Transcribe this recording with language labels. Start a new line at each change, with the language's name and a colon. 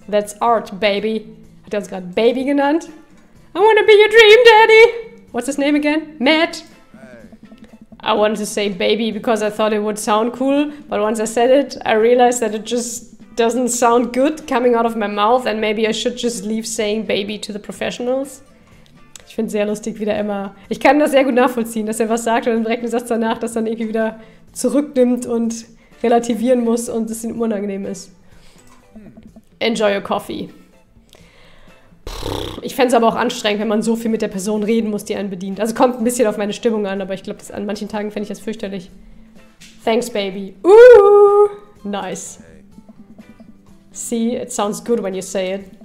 English: That's art, baby.
German: Hat er uns gerade Baby genannt?
English: I wanna be your dream daddy! What's his name again? Matt! I wanted to say baby because I thought it would sound cool, but once I said it, I realized that it just doesn't sound good coming out of my mouth and maybe I should just leave saying baby to the professionals.
German: Ich find's sehr lustig, wie der Emma. Ich kann das sehr gut nachvollziehen, dass er was sagt und dann direkt einen Satz danach, dass er dann irgendwie wieder zurücknimmt und relativieren muss und es ihm unangenehm ist.
English: Enjoy your coffee.
German: Ich fände es aber auch anstrengend, wenn man so viel mit der Person reden muss, die einen bedient. Also kommt ein bisschen auf meine Stimmung an, aber ich glaube, an manchen Tagen fände ich das fürchterlich.
English: Thanks, baby. Nice. See, it sounds good when you say it.